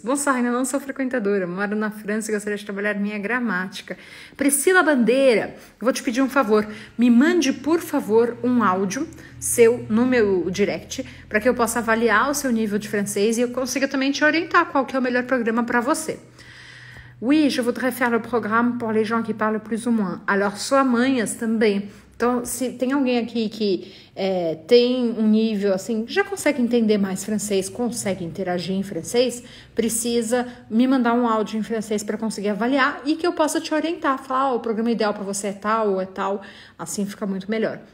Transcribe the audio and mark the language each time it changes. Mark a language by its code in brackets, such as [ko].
[pt] Bonsoir, ainda não sou frequentadora. Moro na França e gostaria de trabalhar minha gramática. Priscila Bandeira, vou te pedir um favor. Me mande, por favor, um áudio seu no meu direct para que eu possa avaliar o seu nível de francês e eu consiga também te orientar qual que é o melhor programa para você. [fr] Oui, je voudrais faire le programme pour les gens qui parlent plus ou moins. [pt] Alors, sua manhas também. Então, se tem alguém aqui que tem um nível, assim, já consegue entender mais francês, consegue interagir em francês, precisa me mandar um áudio em francês para conseguir avaliar e que eu possa te orientar, falar, o programa ideal para você é tal, assim fica muito melhor.